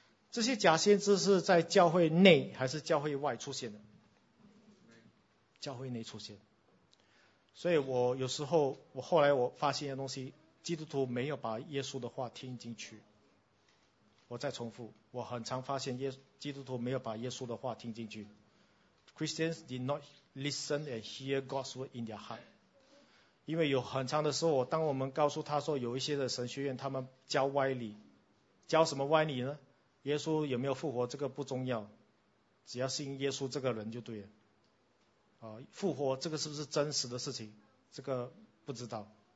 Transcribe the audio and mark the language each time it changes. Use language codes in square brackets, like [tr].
[zh] 这些假先知是在教会内还是教会外出现的？教会内出现。所以我有时候，我后来我发现一些东西，基督徒没有把耶稣的话听进去。我再重复，我很常发现基督徒没有把耶稣的话听进去。 [en] Christians did not listen and hear God's word in their heart. [zh] 因为有很长的时候，当我们告诉他说有一些的神学院他们教歪理，教什么歪理呢？耶稣有没有复活这个不重要，只要信耶稣这个人就对了。复活这个是不是真实的事情，这个不知道。